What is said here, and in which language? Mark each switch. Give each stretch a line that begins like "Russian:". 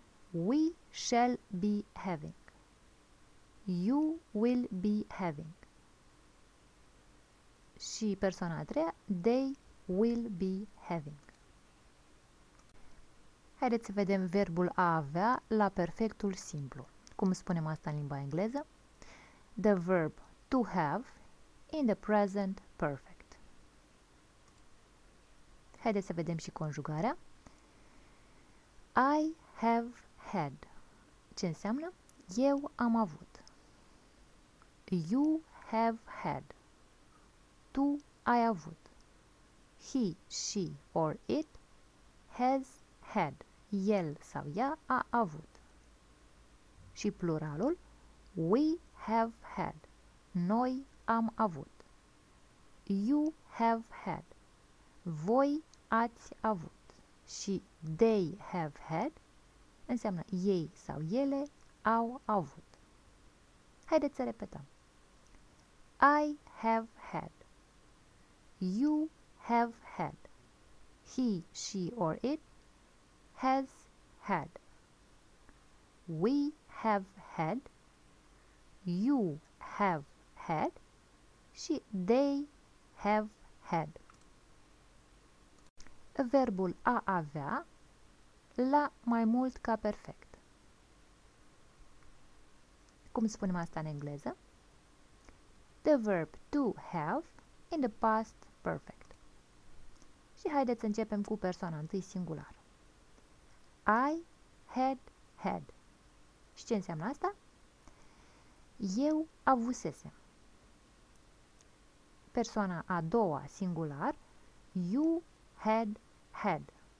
English: We shall be having. You will be having.
Romanian: Și persoana a treia,
English: they will be having.
Romanian: Haideți să vedem verbul a avea la perfectul simplu. Cum spunem asta în limba engleză?
English: The verb to have in the present perfect.
Romanian: Haideți să vedem și conjugarea.
English: I have had.
Romanian: Ce înseamnă? Eu am avut.
English: You have had.
Romanian: Tu ai avut.
English: He, she or it has had.
Romanian: El sau ea a avut. Și pluralul,
English: we have had,
Romanian: noi am avut.
English: You have had,
Romanian: voi ați avut. Și
English: they have had,
Romanian: înseamnă ei sau ele au avut. Haideți să repetăm.
English: I have had, you have had, he, she or it has had, we have had, you have had, și they have had.
Romanian: Verbul a avea la mai mult ca perfect. Cum spunem asta în engleză?
English: The verb to have in the past perfect.
Romanian: Și haideți să începem cu persoana întâi singular.
English: I had had.
Romanian: Și ce înseamnă asta? Eu avusesem. Persoana a doua singular.
English: You had had.